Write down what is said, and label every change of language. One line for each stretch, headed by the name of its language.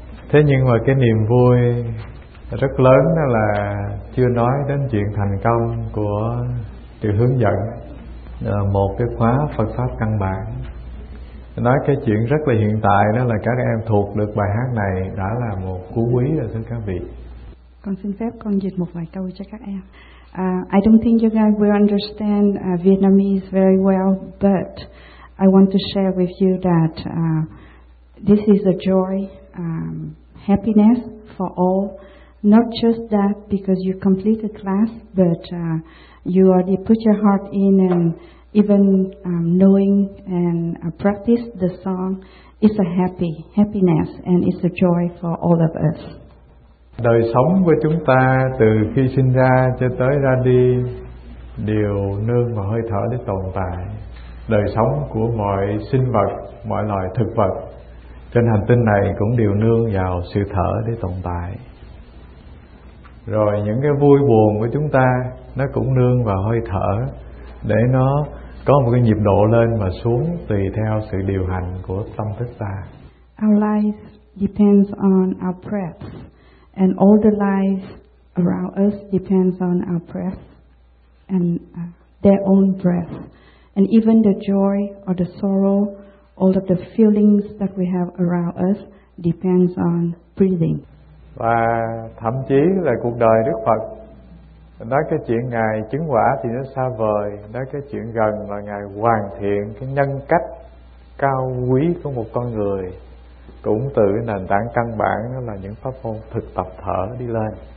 Vietnamese: Thế nhưng mà cái niềm vui rất lớn đó là chưa nói đến chuyện thành công của sự hướng dẫn một cái khóa Phật Pháp căn bản. Nói cái chuyện rất là hiện tại đó là các em thuộc được bài hát này đã là một cú quý rồi thưa các vị. Con xin phép con dịch một vài câu cho các em.
English: I don't think you guys will understand Vietnamese very well, but I want to share with you that this is a joy, happiness for all. Not just that because you completed class, but you already put your heart in, and even knowing and practice the song, it's a happiness and it's a joy for all of us.
Vietnamese: Đời sống của chúng ta từ khi sinh ra cho tới ra đi đều nương vào hơi thở để tồn tại. Đời sống của mọi sinh vật, mọi loài thực vật trên hành tinh này cũng đều nương vào sự thở để tồn tại. Rồi những cái vui buồn của chúng ta nó cũng nương vào hơi thở để nó có một cái nhịp độ lên và xuống tùy theo sự điều hành của tâm thức ta.
English: Our life depends on our breath. And all the lives around us depends on our breath and their own breath. And even the joy or the sorrow, all of the feelings that we have around us depends on breathing.
Vietnamese: Và thậm chí là cuộc đời Đức Phật, nói cái chuyện Ngài chứng quả thì nó xa vời, nói cái chuyện gần là Ngài hoàn thiện cái nhân cách cao quý của một con người cũng từ nền tảng căn bản là những pháp môn thực tập thở đi lên.